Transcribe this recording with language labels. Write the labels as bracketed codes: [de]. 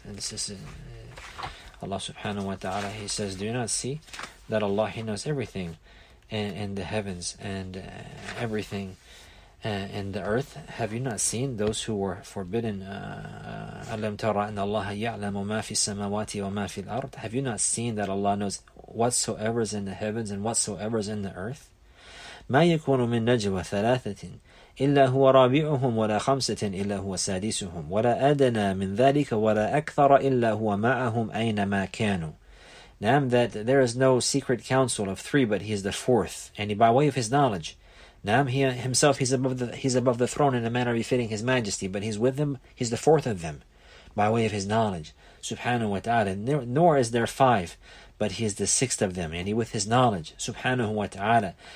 [en] This is Allah subhanahu wa ta'ala, he says, do you not see that Allah, he knows everything in the heavens and everything in the earth? Have you not seen those who were forbidden? [ar] Alam tara anna Allah ya'lamu ma fi samawati wa ma fi al-ard. [en] Have you not seen that Allah knows whatsoever is in the heavens and whatsoever is in the earth? [ar] ما يكون من نجوى ثلاثة إلا هو رابعهم ولا خمسة إلا هو سادسهم ولا أدنى من ذلك ولا أكثر إلا هو معهم أينما كانوا. [en] نعم, that there is no secret council of three, but he is the fourth, and by way of his knowledge. نعم, he himself, he's above the throne in a manner befitting his majesty, but he's with them, he's the fourth of them, by way of his knowledge. Subhanahu wa ta'ala, nor is there five, but he is the sixth of them, and he with his knowledge, subhanahu wa ta'ala.